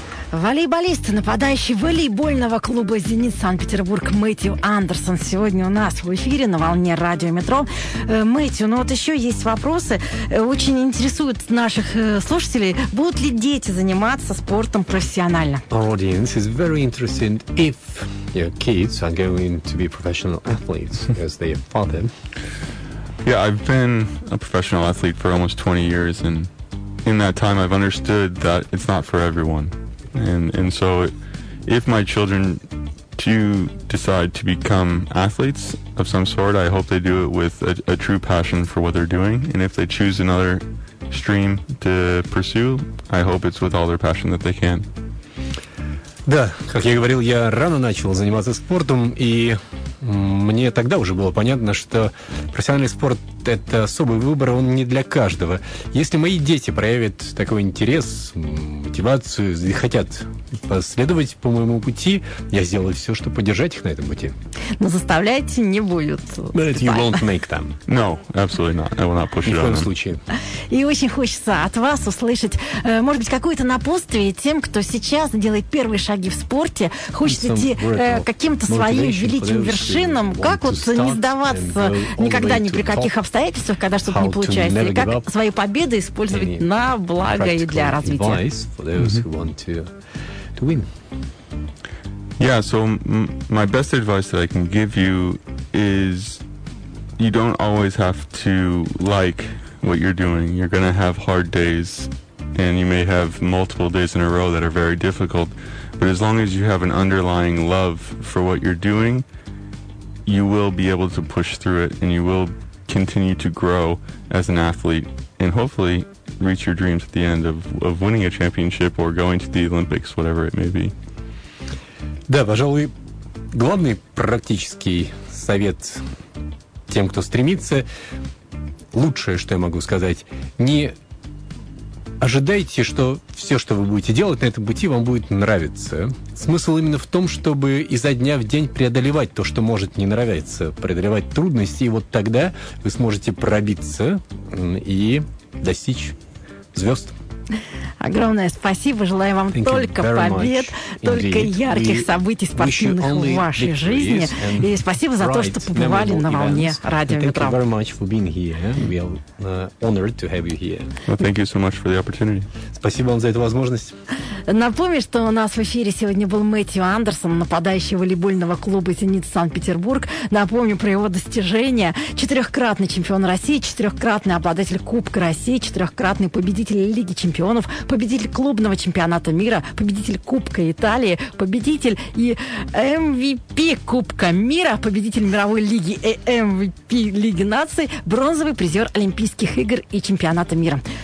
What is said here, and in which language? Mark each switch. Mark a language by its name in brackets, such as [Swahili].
[Russian] Волейболист, нападающий волейбольного клуба «Зенит» Санкт-Петербург Мэтью Андерсон сегодня у нас в эфире на волне Радио Метро. Мэтью, ну вот еще есть вопросы. Очень интересуют наших слушателей, будут ли дети заниматься спортом профессионально? [English] Our audience is very interested if your kids are going to be professional athletes as their father. Yeah, I've been a professional athlete for almost 20 years, and in that time I've understood that it's not for everyone. And so if my children do decide to become athletes of some sort, I hope they do it with a true passion for what they're doing. And if they choose another stream to pursue, I hope it's with all their passion that they can. [Russian] Да, как я говорил, я рано начал заниматься спортом, и мне тогда уже было понятно, что профессиональный спорт – это особый выбор, он не для каждого. Если мои дети проявят такой интерес, мотивацию, и хотят последовать по моему пути, я сделаю все, чтобы поддержать их на этом пути. Но заставлять не будут. [English] But you won't make them. No, absolutely not. I will not push it on them. [Russian] Ни в коем случае. И очень хочется от вас услышать, может быть, какое-то напутствие тем, кто сейчас делает первые шаги в спорте, хочет идти каким-то своим великим вершинам. Как вот не сдаваться никогда ни при каких обстоятельствах, когда что-то не получается, и как свои победы использовать на благо и для развития? [English] To win. Yeah, so my best advice that I can give you is you don't always have to like what you're doing. You're going to have hard days, and you may have multiple days in a row that are very difficult, but as long as you have an underlying love for what you're doing, you will be able to push through it, and you will continue to grow as an athlete, and hopefully reach your dreams at the end of winning a championship or going to the Olympics, whatever it may be. [Russian] Да, пожалуй, главный практический совет тем, кто стремится, лучшее, что я могу сказать, не ожидайте, что все, что вы будете делать на этом пути, вам будет нравиться. Смысл именно в том, чтобы изо дня в день преодолевать то, что может не нравиться, преодолевать трудности, и вот тогда вы сможете пробиться и достичь звезд. Огромное спасибо. Желаю вам только побед, только ярких событий спортивных в вашей жизни. И спасибо за то, что побывали на волне Радио Метро. [English] Thank you very much for being here. We are honored to have you here. Well, thank you so much for the opportunity. [Russian] Спасибо вам за эту возможность. Напомню, что у нас в эфире сегодня был Мэтью Андерсон, нападающий волейбольного клуба «Зенит» Санкт-Петербург. Напомню про его достижения. 4-кратный чемпион России, 4-кратный обладатель Кубка России, 4-кратный победитель Лиги чемпионов, победитель клубного чемпионата мира, победитель Кубка Италии, победитель и MVP Кубка мира, победитель мировой лиги и MVP Лиги наций, бронзовый призер Олимпийских игр и чемпионата мира.